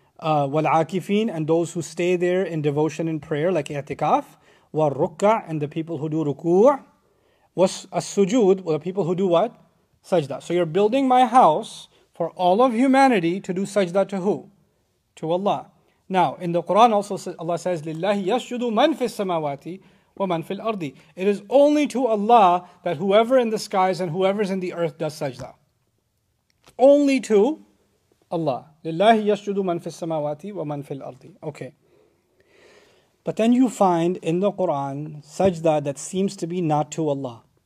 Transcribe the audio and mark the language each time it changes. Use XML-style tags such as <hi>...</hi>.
<en>Wal-akifin, and those who stay there in devotion and prayer, like i'tikaf. Wal-rukka, and the people who do ruku'. As-sujood, the people who do what? Sajda. So you're building my house for all of humanity to do sajda to who? To Allah. Now, in the Quran also, Allah says,</en> <ar>لِلَّهِ يَسْجُدُ مَنْ فِي السَّمَاوَاتِ وَمَنْ فِي الْأَرْضِ.</ar> <en>It is only to Allah that whoever in the skies and whoever's in the earth does sajda. Only to</en> <ar>Allah. لِلَّهِ يَسْجُدُ مَنْ فِي السَّمَاوَاتِ وَمَنْ فِي الْأَرْضِ.</ar> <en>Okay. But then you find in the Quran sajda that seems to be not to Allah.</en>